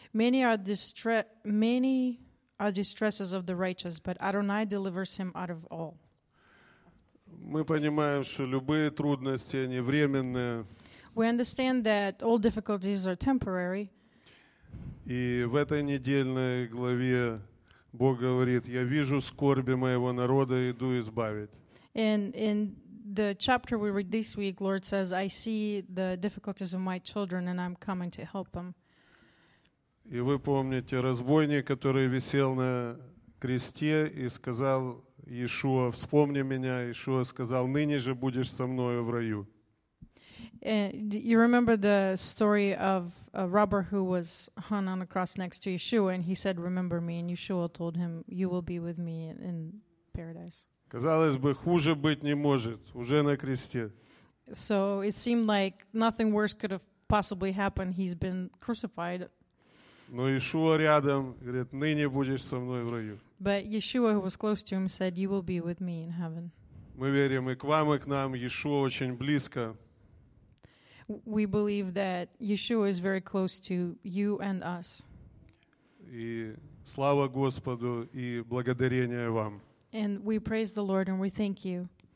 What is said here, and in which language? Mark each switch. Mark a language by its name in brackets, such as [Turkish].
[English] Many are distresses of the righteous, but Adonai delivers him out of all. [Russian] Мы понимаем, что любые трудности, они временные. [English] We understand that all difficulties are temporary. [Russian] И в этой недельной главе Бог говорит: «Я вижу скорби моего народа, иду избавить». [English] And in the chapter we read this week, Lord says, "I see the difficulties of my children, and I'm coming to help them." [Russian] И вы помните разбойник, который висел на кресте и сказал Иешуа: «Вспомни меня». Иешуа сказал: «Ныне же будешь со мною в раю». [English] And you remember the story of a robber who was hung on a cross next to Yeshua, and he said, "Remember me." And Yeshua told him, "You will be with me in paradise." [Russian] Казалось бы, хуже быть не может, уже на кресте. [English] So it seemed like nothing worse could have possibly happened. He's been crucified. [Russian] Но Иешуа рядом, говорит: "Ныне будешь со мной в раю." [English] But Yeshua, who was close to him, said, "You will be with me in heaven." [Russian] Мы верим и к вам, и к нам. Иешуа очень близко. [English] We believe that Yeshua is very close to you and us. [Russian] И слава Господу и благодарение вам. [English] And we praise the Lord and we thank you.